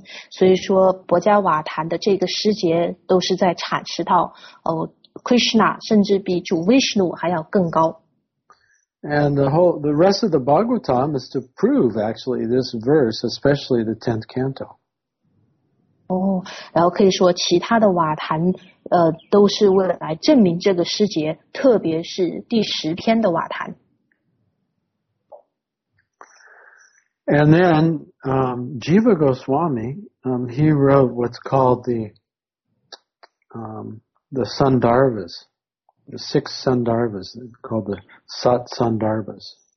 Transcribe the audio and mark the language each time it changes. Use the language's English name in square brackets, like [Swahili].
[Chinese] 所以说博迦瓦坛的这个诗节都是在阐释到Krishna 甚至比主 Vishnu 还要更高。 [English] And the rest of the Bhagavatam is to prove actually this verse, especially the 10th canto. [Chinese] 然后可以说其他的瓦坛都是为了来证明这个诗节，特别是第十篇的瓦坛。 [English] And then, Jiva Goswami, he wrote what's called the Sandarvas, the six Sandarvas, called the Sat Sandarvas.